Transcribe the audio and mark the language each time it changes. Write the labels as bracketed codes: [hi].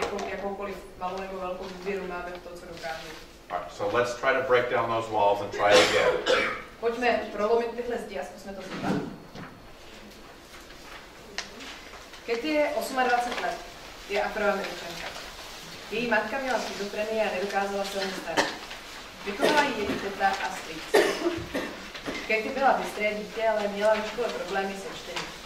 [cs] Jakoukoliv malou nebo velkou důvěru máme v to, co dokážeme. [en] Alright, so let's try to break down those walls and try it again. [cs] Pojďme prolomit tyhle zdi a zkusme to zbývat. Katie je 28 let, je afroameričanka. Její matka měla schizofrenii a nedokázala se ani starat. Vychovala ji její teta a strýc. Katie byla bystré dítě, ale měla ve škole problémy se čtením.